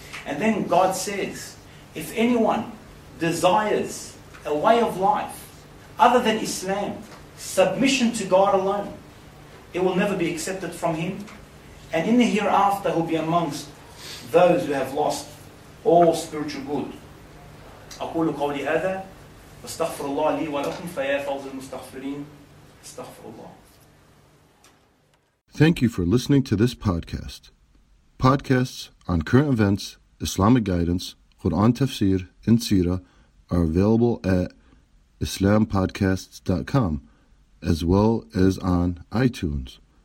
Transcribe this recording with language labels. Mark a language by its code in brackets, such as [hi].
[en] And then God says, if anyone desires a way of life other than Islam, submission to God alone, it will never be accepted from him. And in the hereafter, he'll be amongst those who have lost all spiritual good. [ar] أقول قولي هذا واستغفر الله لي ولكم فيا فوز المستغفرين استغفر الله. [en] Thank you for listening to this podcast. Podcasts on current events, Islamic guidance, Quran tafsir, and Sirah are available at islampodcasts.com as well as on iTunes.